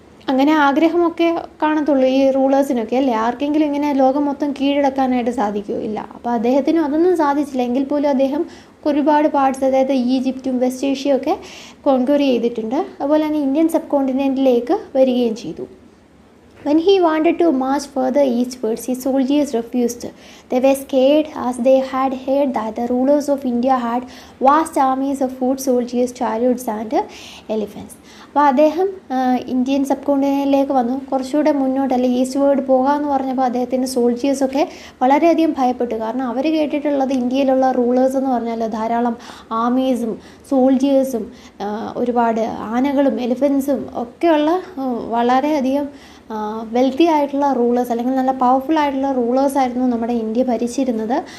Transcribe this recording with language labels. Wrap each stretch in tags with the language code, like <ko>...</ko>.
<ml>അങ്ങനെ ആഗ്രഹമൊക്കെ കാണത്തുള്ളൂ ഈ റൂളേഴ്സിനൊക്കെ, അല്ലേ? ആർക്കെങ്കിലും ഇങ്ങനെ ലോകം മൊത്തം കീഴടക്കാനായിട്ട് സാധിക്കുമോ? ഇല്ല. അപ്പോൾ അദ്ദേഹത്തിന് അതൊന്നും സാധിച്ചില്ല. എങ്കിൽ പോലും അദ്ദേഹം ഒരുപാട് പാർട്സ്, അതായത് ഈജിപ്തും വെസ്റ്റ് ഏഷ്യയും ഒക്കെ കോൺക്വർ ചെയ്തിട്ടുണ്ട്. അതുപോലെ തന്നെ ഇന്ത്യൻ സബ് കോണ്ടിനെൻറ്റിലേക്ക് വരികയും ചെയ്തു.</ml> <en>When he wanted to march further eastwards, his soldiers refused. They were scared as they had heard that the rulers of India had vast armies of foot soldiers, chariots and elephants.</en> <ml>അപ്പോൾ അദ്ദേഹം Indian sub കോണ്ടിനെൻറ്റിലേക്ക് വന്നു. കുറച്ചുകൂടെ മുന്നോട്ട് അല്ലെങ്കിൽ ഈസ്റ്റ്വേർഡ് പോകാമെന്ന് പറഞ്ഞപ്പോൾ അദ്ദേഹത്തിൻ്റെ സോൾജിയേഴ്സൊക്കെ വളരെയധികം ഭയപ്പെട്ടു. കാരണം അവർ കേട്ടിട്ടുള്ളത് ഇന്ത്യയിലുള്ള റൂളേഴ്സ് എന്ന് പറഞ്ഞാൽ ധാരാളം ആർമീസും സോൾജിയേഴ്സും ഒരുപാട് ആനകളും എലിഫൻസും ഒക്കെയുള്ള വളരെയധികം വെൽത്തി ആയിട്ടുള്ള റൂളേഴ്സ് അല്ലെങ്കിൽ നല്ല പവർഫുൾ ആയിട്ടുള്ള റൂളേഴ്സായിരുന്നു നമ്മുടെ ഇന്ത്യ ഭരിച്ചിരുന്നത്.</ml>